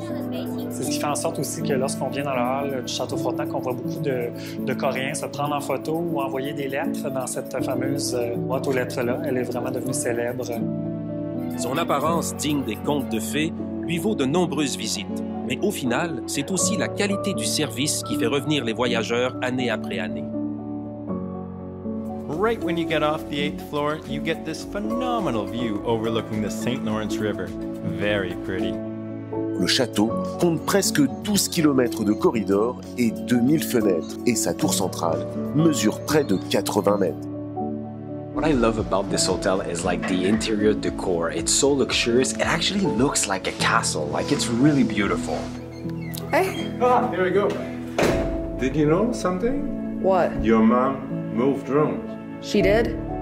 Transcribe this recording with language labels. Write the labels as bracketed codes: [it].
[fr] C'est ce qui fait en sorte aussi que lorsqu'on vient dans la halle du Château Frontenac, on voit beaucoup de Coréens se prendre en photo ou envoyer des lettres dans cette fameuse boîte aux lettres-là. Elle est vraiment devenue célèbre. Son apparence digne des contes de fées lui vaut de nombreuses visites. Mais au final, c'est aussi la qualité du service qui fait revenir les voyageurs année après année. [en] Right when you get off the 8th floor, you get this phenomenal view overlooking the St. Lawrence River. Very pretty. [fr] Le château compte presque 12 km de corridor et 2000 fenêtres, et sa tour centrale mesure près de 80 mètres. [en] What I love about this hotel is like the interior decor. It's so luxurious. It actually looks like a castle. Like it's really beautiful. Hey. Here we go. Did you know something? What? Your mom moved rooms. She did?